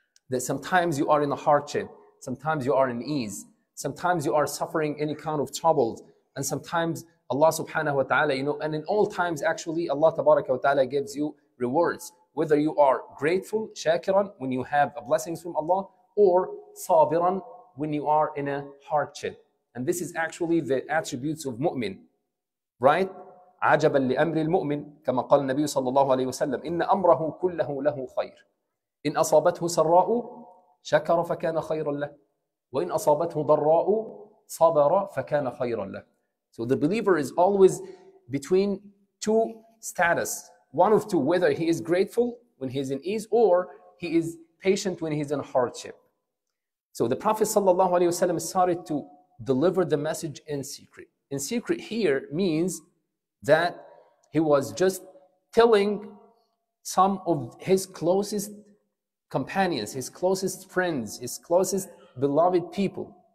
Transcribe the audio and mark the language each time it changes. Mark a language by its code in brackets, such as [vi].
[en] That sometimes you are in a hardship, sometimes you are in ease, sometimes you are suffering any kind of troubles, and sometimes Allah subhanahu wa ta'ala, and in all times actually, Allah tabaraka wa ta'ala gives you rewards. Whether you are grateful, shakiran, when you have a blessings from Allah, or sabiran, when you are in a hardship. And this is actually the attributes of mu'min, right? [ar] عجبا لأمر المؤمن كما قال النبي صلى الله عليه وسلم إن أمره كله له خير إن أصابته سراء شكر فكان خيرا له وإن أصابته ضراء صبر فكان خيرا له. [en] So the believer is always between two status, one of two, whether he is grateful when he is in ease or he is patient when he is in hardship. So the Prophet [ar] صلى الله عليه وسلم [en] started to deliver the message in secret. In secret here means that he was just telling some of his closest companions, his closest friends, his closest beloved people.